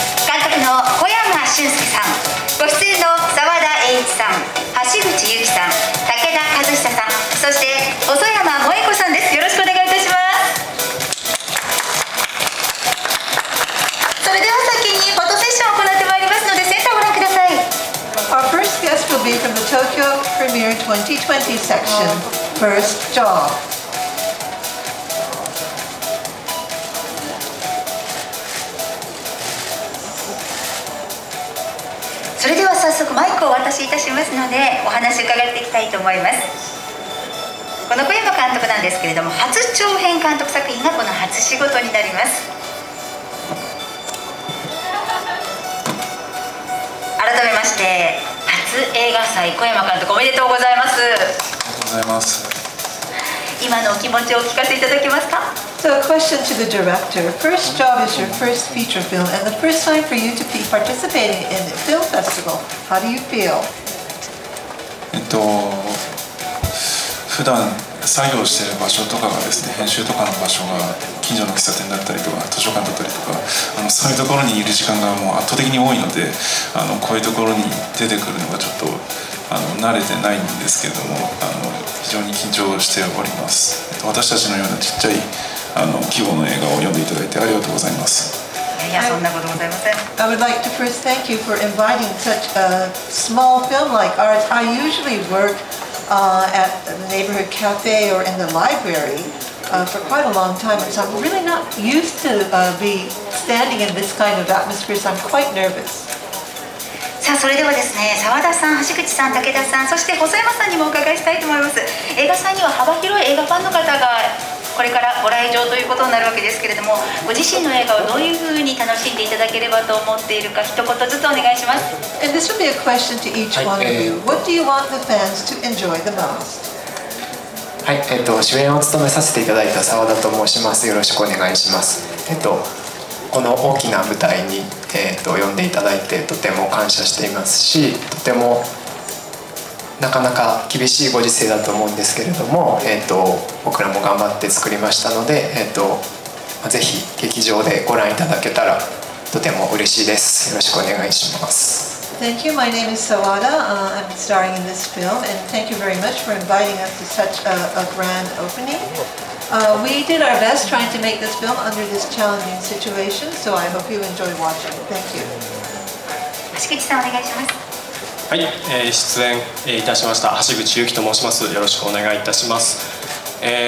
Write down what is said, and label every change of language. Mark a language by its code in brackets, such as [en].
[ja] 監督の小山俊介さん、ご出演の澤田栄一さん、橋口優希さん、武田和久さん、そして細山萌子さんです。よろしくお願いいたします。それでは先にフォトセッションを行ってまいりますので、センターをご覧ください。 [en] Our first guest will be from the Tokyo Premiere 2020 section. First job. [ja] それでは早速マイクをお渡しいたしますので、お話を伺っていきたいと思います。この小山監督なんですけれども、初長編監督作品がこの初仕事になります。改めまして、初映画祭小山監督おめでとうございます。ありがとうございます。今のお気持ちをお聞かせいただけますか？ [en] So a question to the director. First job is your first feature film and the first time for you to be participating in the film festival. How do you feel? [ja] 普段作業してる場所とかがですね、編集とかの場所が近所の喫茶店だったりとか図書館だったりとか、そういうところにいる時間がもう圧倒的に多いので、こういうところに出てくるのがちょっと慣れてないんですけれども、非常に緊張しております。私たちのようなちっちゃい規模の映画を読んでいただいてありがとうございます。いや、そんなことございません。 [en] I would like to first thank you for inviting such a small film like ours. I usually work at the neighborhood cafe or in the library for quite a long time. So I'm really not used to be standing in this kind of atmosphere. So I'm quite nervous. [ja] さあ、それではですね、澤田さん、橋口さん、武田さん、そして細山さんにもお伺いしたいと思います。映画祭には幅広い映画ファンの方がこれからご来場ということになるわけですけれども、ご自身の映画をどういうふうに楽しんでいただければと思っているか、一言ずつお願いします。 [en] And this would be a question to each one of you. What do you want the fans to enjoy the most? [ja] はい、主演を務めさせていただいた澤田と申します。よろしくお願いします。この大きな舞台に、呼んでいただいてとても感謝していますし、とてもなかなか厳しいご時世だと思うんですけれども、僕らも頑張って作りましたので、ぜひ劇場でご覧いただけたらとても嬉しいです。よろしくお願いします。 [en] Thank you. My name is Sawada. I'm starring in this film and thank you very much for inviting us to such a grand openingWe did our best trying to make this film under this challenging situation, so I hope you enjoy watching. Thank you. [ja] 橋口さん、お願いします。はい、出演いたしました橋口優希と申します。よろしくお願いいたします。